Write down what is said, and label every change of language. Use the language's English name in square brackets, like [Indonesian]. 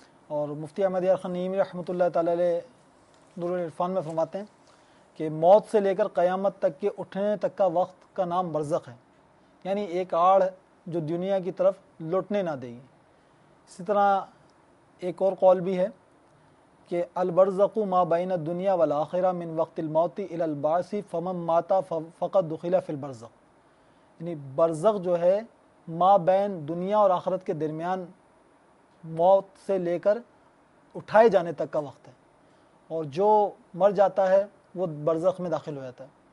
[Urdu] اور مفتی احمد یار خان نعیمی رحمۃ اللہ تعالی علیہ نور العرفان میں فرماتے ہیں کہ موت سے لے کر قیامت تک کے اٹھنے تک کا وقت کا نام برزخ ہے، یعنی ایک آڑ جو دنیا کی طرف لوٹنے نہ دے گی. اسی طرح ایک اور قول بھی ہے کہ [Arabic] البرزق ما بین الدنیا والآخرہ من وقت الموت الی البعث فمن مات فقد دخل فی البرزق. [Urdu] یعنی برزق جو ہے ما بین دنیا اور آخرت کے درمیان موت سے لے کر اٹھائے جانے تک کا وقت ہے, اور جو مر جاتا ہے وہ برزق میں داخل ہو جاتا ہے.